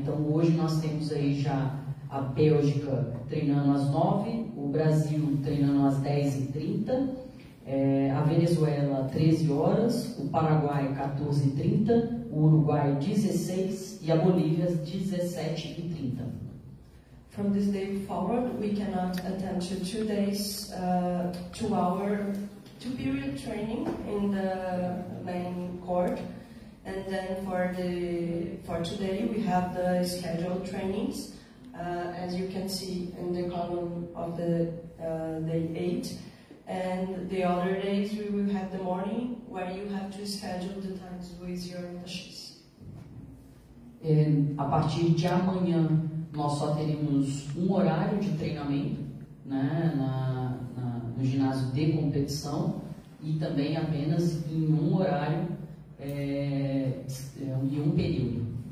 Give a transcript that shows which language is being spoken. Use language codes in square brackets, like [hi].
[pt] Então hoje nós temos aí já a Bélgica treinando às 9, o Brasil treinando às 10h30, a Venezuela 13 horas, o Paraguai 14h30, o Uruguai 16 e a Bolívia 17h30. [en] From this day forward, we cannot attend to 2 days, 2 hour, 2 period training in the main court. And then for today, we have the scheduled trainings, as you can see in the column of the day 8. And the other days, we will have the morning, where you have to schedule the times with your attaches. [pt] A partir de amanhã, nós só teremos um horário de treinamento, né, no ginásio de competição, e também apenas em um horário e um período.